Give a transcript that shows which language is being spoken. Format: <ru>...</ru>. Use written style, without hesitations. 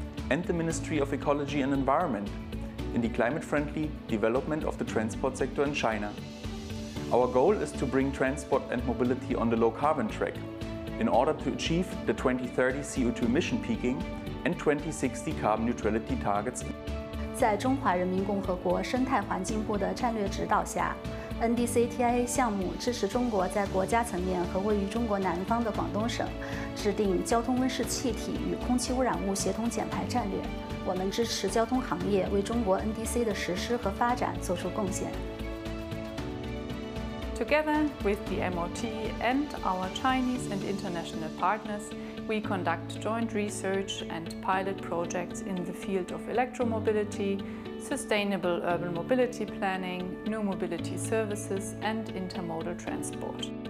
<en>and the Ministry of Ecology and Environment in the climate-friendly development of the transport sector in China. Our goal is to bring transport and mobility on the low-carbon track in order to achieve the 2030 CO2 emission peaking and 2060 carbon neutrality targets.</en> <zh>在中华人民共和国生态环境部的战略指导下， NDC-TIA 项目支持中国在国家层面和位于中国南方的广东省制定交通温室气体与空气污染物协同减排战略。我们支持交通行业为中国 NDC的实施和发展做出贡献。</zh> <en>Together with the MOT and our Chinese and international partners, we conduct joint research and pilot projects in the field of electromobility, sustainable urban mobility planning, new mobility services, and intermodal transport.</en>